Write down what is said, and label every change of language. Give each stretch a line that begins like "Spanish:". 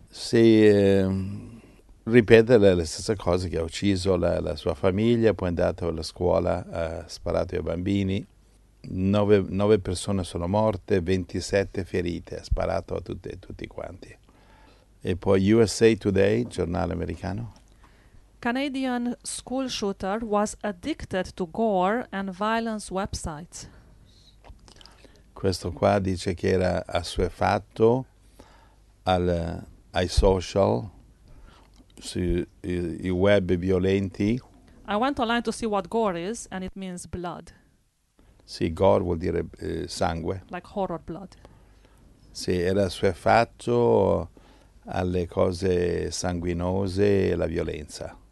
Italian: Sì, ripete le stesse cose, che ha ucciso la sua famiglia, poi è andato alla scuola, ha sparato ai bambini. 9 persone sono morte, 27 ferite, ha sparato a tutti quanti. E poi USA Today, giornale americano.
English: Canadian school shooter was addicted to gore and violence websites.
Italian: Questo qua dice che era assuefatto ai social, sui web violenti.
English: I went online to see what gore is, and it means blood.
Italian: Sì, gore vuol dire sangue.
English: Like horror blood.
Italian: Sì, era assuefatto alle cose sanguinose e la violenza.